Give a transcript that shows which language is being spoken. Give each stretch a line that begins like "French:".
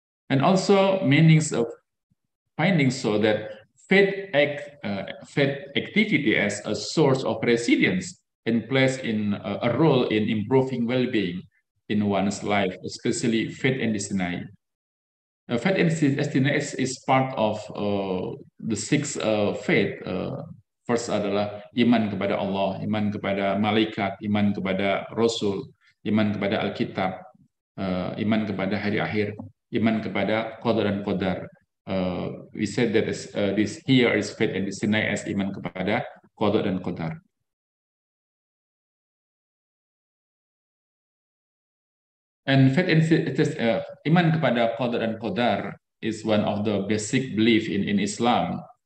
English: And also meanings of findings so that faith activity as a source of resilience and plays in a role in improving well-being in one's life, especially faith and destiny. Faith and destiny is part of the six faith.
Indonesian: First adalah iman kepada Allah, iman kepada malaikat, iman kepada Rasul, iman kepada Alkitab, iman kepada hari akhir, iman kepada qadar dan qadar.
English: We said that this here is faith and destiny as
Indonesian: iman kepada qada dan qadar.
English: And faith and
Indonesian: iman kepada qada dan qadar
English: is one of the basic belief in Islam.